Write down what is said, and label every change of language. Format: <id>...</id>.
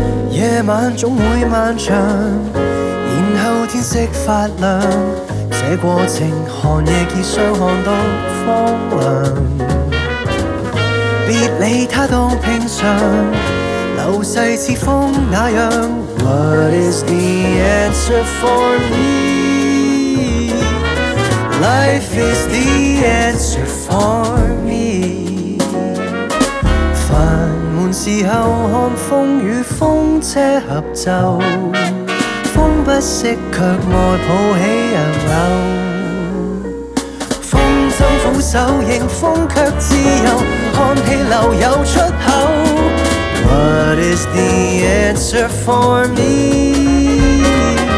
<zh>夜晚总会漫长，然后天色发亮，这过程寒夜结霜看到荒凉，别理他当平常，流逝似风那样。</zh> <en>What is the answer for me? Life is the answer for me。</en> <zh>繁忙时候看风雨风车合奏，风不息却爱抱起人流，风中俯首迎风却自由，看气流有出口。</zh> <en>What is the answer for me?</en>